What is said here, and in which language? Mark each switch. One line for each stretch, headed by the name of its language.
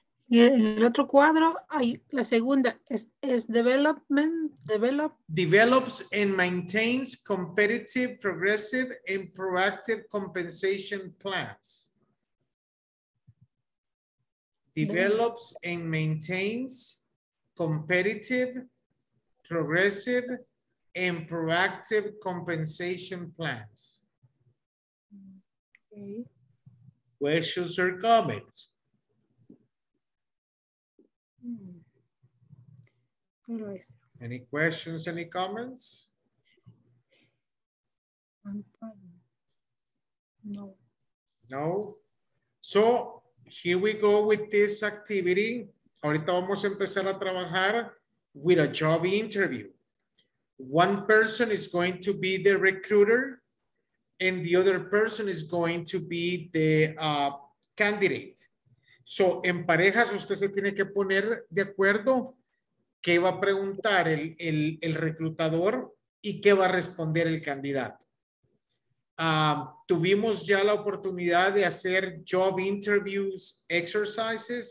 Spanish: En el otro cuadro hay la segunda es develops
English: and maintains competitive, progressive and proactive compensation plans. Develops and maintains competitive, progressive and proactive compensation plans. Okay. Questions or comments? Any questions, any comments? No. No? So, here we go with this activity.
Spanish: Ahorita vamos a empezar a trabajar
English: with a job interview. One person is going to be the recruiter and the other person is going to be the candidate.
Spanish: So, en parejas, usted se tiene que poner de acuerdo qué va a preguntar el reclutador y qué va a responder el candidato. Tuvimos ya la oportunidad de hacer job interviews exercises.